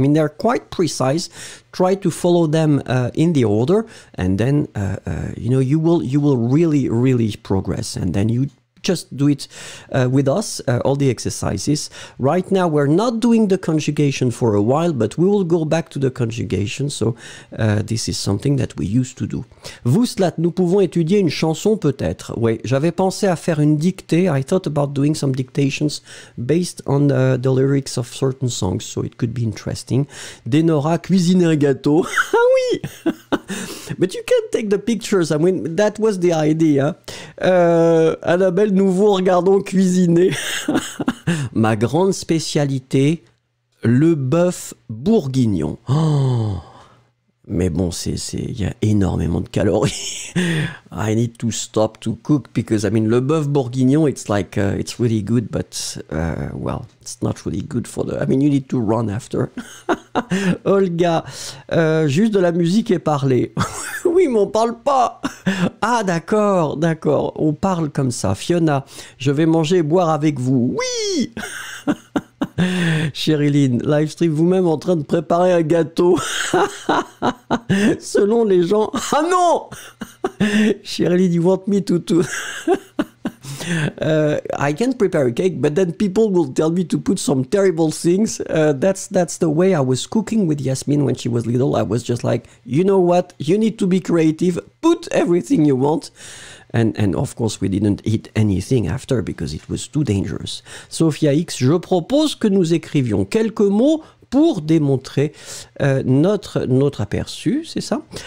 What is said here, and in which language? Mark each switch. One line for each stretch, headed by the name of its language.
English: I mean, they're quite precise. Try to follow them in the order and then, you will really, really progress. And then you just do it with us, all the exercises. Right now, we're not doing the conjugation for a while, but we will go back to the conjugation. So this is something that we used to do.
French: Vous, Slat, nous pouvons étudier une chanson peut-être. Oui, j'avais pensé à faire une dictée.
English: I thought about doing some dictations based on the lyrics of certain songs. So it could be interesting. Denora,
French: cuisiner un gâteau.
English: Ah oui! But you can take the pictures. I mean, that was the idea.
French: Annabelle, nous vous regardons cuisiner. Ma grande spécialité, le bœuf bourguignon. Oh. Mais bon, c'est y a énormément de calories.
English: I need to stop to cook because, I mean, le bœuf bourguignon, it's like, it's really good, but, well, it's not really good for the... I mean, you need to run after.
French: Olga, juste de la musique et parler. Oui, mais on parle pas. Ah, d'accord, d'accord. On parle comme ça. Fiona, je vais manger et boire avec vous. Oui. Cherilyn, live stream vous-même en train de préparer un gâteau. Selon les gens. Ah non! Cherilyn,
English: you want me to. I can prepare a cake, but then people will tell me to put some terrible things. That's the way I was cooking with Yasmin when she was little. I was just like, you know what? You need to be creative. Put everything you want. And of course, we didn't eat anything after because it was too dangerous.
French: Sophia X, je propose que nous écrivions quelques mots pour démontrer notre aperçu, c'est ça?